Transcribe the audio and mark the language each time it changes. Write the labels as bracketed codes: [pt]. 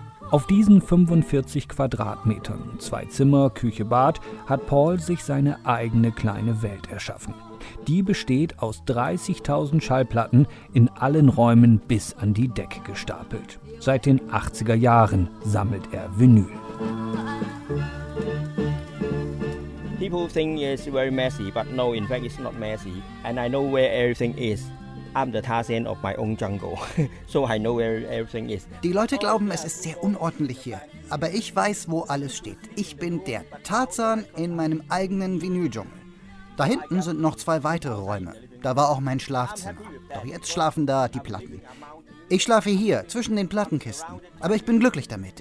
[de] Auf diesen 45 Quadratmetern, zwei Zimmer, Küche, Bad, hat Paul sich seine eigene kleine Welt erschaffen. Die besteht aus 30.000 Schallplatten, in allen Räumen bis an die Decke gestapelt. Seit den 80er Jahren sammelt er Vinyl. [en] People think it's very messy, but no, in fact it's not messy. And I know where everything is. [de] Die Leute glauben, es ist sehr unordentlich hier. Aber ich weiß, wo alles steht. Ich bin der Tarzan in meinem eigenen Vinyl-Dschungel. Da hinten sind noch zwei weitere Räume. Da war auch mein Schlafzimmer. Doch jetzt schlafen da die Platten. Ich schlafe hier, zwischen den Plattenkisten. Aber ich bin glücklich damit.